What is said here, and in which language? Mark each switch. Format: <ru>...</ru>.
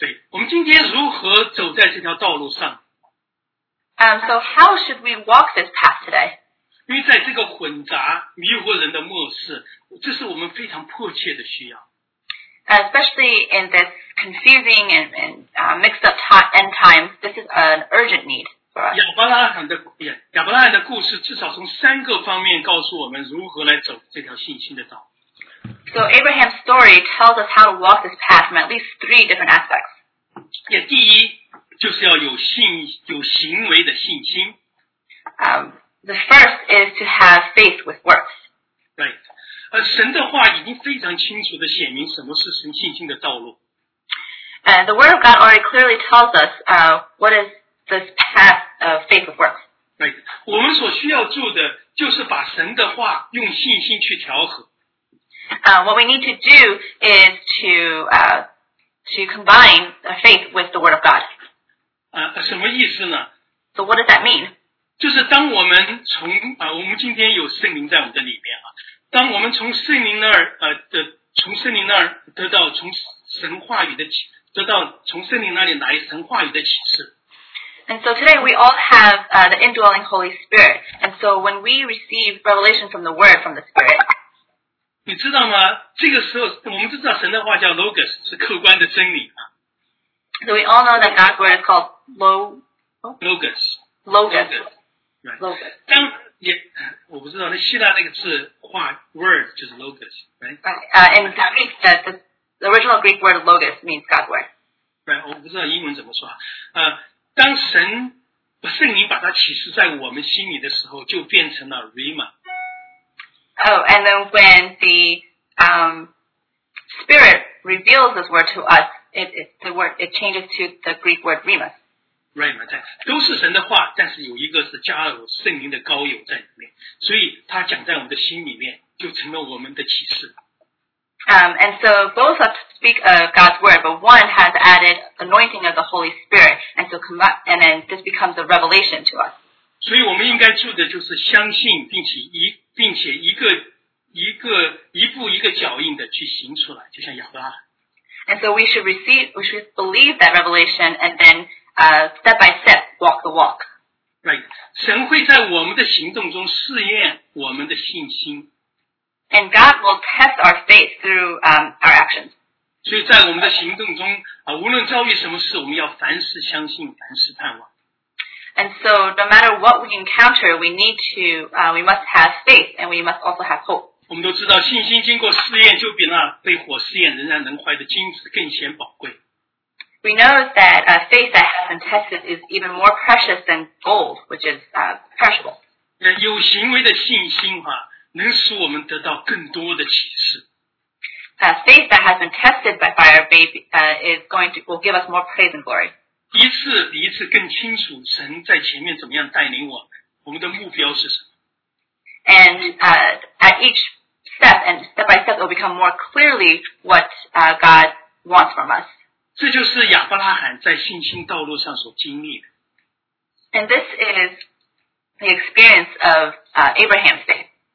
<zh>我们今天如何走在这条道路上？</zh> <en>So how should we walk this path today?</en> <zh>因为在这个混杂迷惑人的末世，这是我们非常迫切的需要。</zh> <en>Especially in this confusing and mixed up end time, this is an urgent need for us.</en> <zh>亚伯拉罕的故事至少从三个方面告诉我们如何来走这条信心的道。</zh> <en>So Abraham's story tells us how to walk this path from at least three different aspects.</en> <zh>第一就是要有行为的信心。</zh> <en>The first is to have faith with works. Right.</en> <zh>神的话已经非常清楚地显明什么是神信心的道路。</zh> <en>The word of God already clearly tells us what is this path of faith of works. Right.</en> <zh>我们所需要做的就是把神的话用信心去调和。</zh> <en>What we need to do is to combine faith with the word of God.</en> <zh>什么意思呢？</zh> <en>So what does that mean?</en> <zh>就是当我们从我们今天有圣灵在我们的里面啊。当我们从圣灵那儿从圣灵那儿得到从神话语的启得到从圣灵那里来神话语的启示。</zh> <en>And so today we all have the indwelling Holy Spirit. And so when we receive revelation from the Word, from the Spirit.</en> <zh>你知道吗？这个时候我们知道神的话叫 Logos, 是客观的真理。</zh> <en>So we all know that God's Word is called Logos. Logos. Logos. Right. Logos.</en> <zh>我不知道那希腊那个字话 word 就是 logos,</zh> <en>right? In Greek, the original Greek word logos means God's word. Right,</en> <zh>我不知道英文怎么说。当神圣灵把它启示在我们心里的时候，就变成了 rhema.</zh> <en>Oh, and then when the spirit reveals this word to us, it changes to the Greek word rhema. Right, my time.</en> <zh>都是神的话，但是有一个是加了圣灵的膏油在里面，所以他讲在我们的心里面，就成了我们的启示。</zh> <en>And so both of speak of God's word, but one has added anointing of the Holy Spirit, and so come up, and then this becomes a revelation to us.</en> <zh>所以我们应该做的就是相信，并且一步一个脚印的去行出来，就像亚伯拉罕。</zh> <en>And so we should believe that revelation, and then step by step walk the walk. Right.</en> <zh>神会在我们的行动中试验我们的信心。</zh> <en>And God will test our faith through our actions.</en> <zh>所以在我们的行动中啊，无论遭遇什么事，我们要凡事相信，凡事盼望。</zh> <en>And so, no matter what we encounter, we need to, we must have faith, and we must also have hope.</en> <zh>我们都知道，信心经过试验，就比那被火试验仍然能坏的金子更显宝贵。</zh> <en>We know that a faith that has been tested is even more precious than gold, which is perishable.</en> <zh>有行为的信心哈、啊，能使我们得到更多的启示。</zh> <en>Faith that has been tested by fire, baby, is going to will give us more praise and glory.</en> <zh>一次比一次更清楚神在前面怎么样带领我们，我们的目标是什么。</zh> <en>And at each step, and step by step, it will become more clearly what God wants from us.</en> <zh>这就是亚伯拉罕在信心道路上所经历的。</zh> <en>And this is the experience of Abraham's faith.</en>